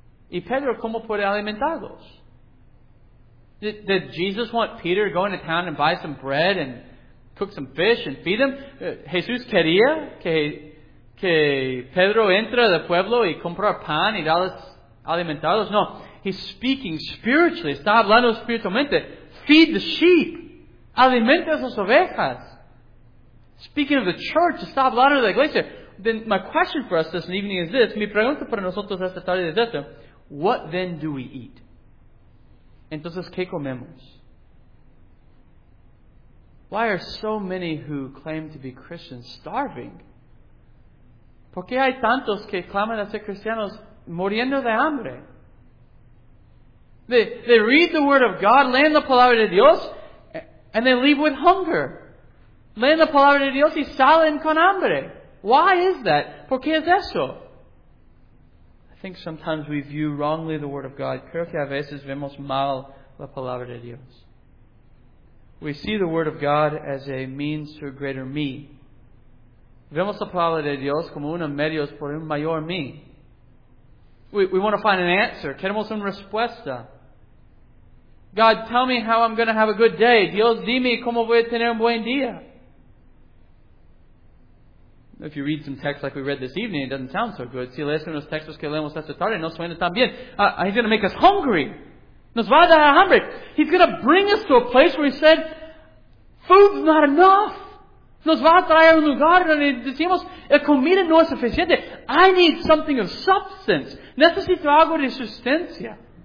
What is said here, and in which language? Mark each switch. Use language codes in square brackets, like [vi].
[es] ¿Y Pedro cómo puede alimentarlos? [en] Did Jesus want Peter to go into town and buy some bread and cook some fish and feed them? [es] ¿Jesús quería que Pedro entre al pueblo y comprar pan y darles alimentarlos? [en] No. He's speaking spiritually. [es] Está hablando espiritualmente. [en] Feed the sheep. [es] Alimenta sus ovejas. [en] Speaking of the church, [es] está hablando de la iglesia. [en] Then my question for us this evening is this. [es] Mi pregunta para nosotros esta tarde es esta. [en] What then do we eat? [es] Entonces, ¿qué comemos? [en] Why are so many who claim to be Christians starving? [es] ¿Por qué hay tantos que claman a ser cristianos muriendo de hambre? [en] They read the Word of God, [es] leen la Palabra de Dios, [en] and they leave with hunger. [es] Leen la Palabra de Dios y salen con hambre. [en] Why is that? [es] ¿Por qué es eso? [en] I think sometimes we view wrongly the Word of God. [es] Creo que a veces vemos mal la Palabra de Dios. [en] We see the Word of God as a means to a greater me. [es] Vemos la Palabra de Dios como una medios por un mayor me. [en] We want to find an answer. [es] Queremos una respuesta. [en] God, tell me how I'm going to have a good day. [es] Dios, dime cómo voy a tener un buen día. [en] If you read some texts like we read this evening, it doesn't sound so good. [es] Si lees unos textos que leemos esta tarde, no suena tan bien. [en] He's going to make us hungry. [es] Nos va a dar hambre. [en] He's going to bring us to a place where he said, food's not enough. [es] Nos va a traer un lugar donde decimos, el comida no es suficiente. [en] I need something of substance. [es] Necesito algo de sustancia.